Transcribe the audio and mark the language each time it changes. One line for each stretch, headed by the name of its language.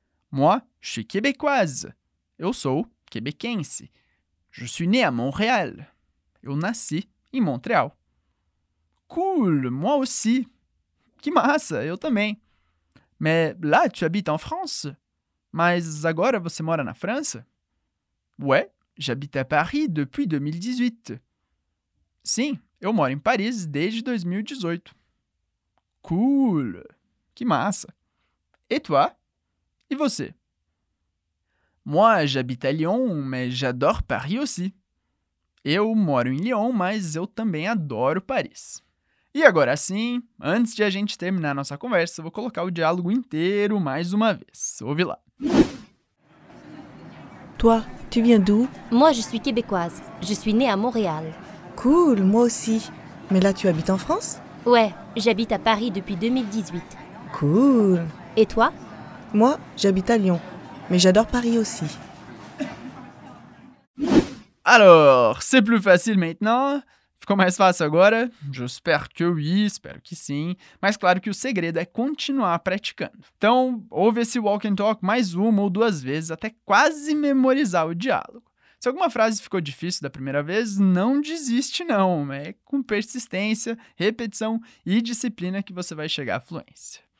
French: Moi, je suis québécoise.
Portuguese: Eu sou quebequense.
French: Je suis né à Montréal.
Portuguese: Eu nasci em Montreal.
French: Cool, moi aussi.
Portuguese: Que massa, eu também.
French: Mais là, tu habites en France?
Portuguese: Mas agora você mora na França?
French: Ouais, j'habite à Paris depuis 2018.
Portuguese: Sim, eu moro em Paris desde 2018. Cool, que massa.
French: Et toi?
Portuguese: E você?
French: Moi, j'habite à Lyon, mais j'adore Paris aussi.
Portuguese: Eu moro em Lyon, mas eu também adoro Paris. E agora sim, antes de a gente terminar nossa conversa, eu vou colocar o diálogo inteiro mais uma vez. Ouve lá.
French: Toi, tu viens d'où? Moi, je suis québécoise. Je suis née à Montréal. Cool, moi aussi. Mais là, tu habites en France? Ouais, j'habite à Paris depuis 2018. Cool. Et toi? Moi, j'habite à Lyon. Mais j'adore Paris aussi. Alors, c'est plus facile maintenant?
Portuguese: Ficou mais fácil agora?
French: J'espère que oui,
Portuguese: espero que sim. Mas claro que o segredo é continuar praticando. Então, ouve esse
English: walk and talk
Portuguese: mais uma ou duas vezes até quase memorizar o diálogo. Se alguma frase ficou difícil da primeira vez, não desiste não. É com persistência, repetição e disciplina que você vai chegar à fluência.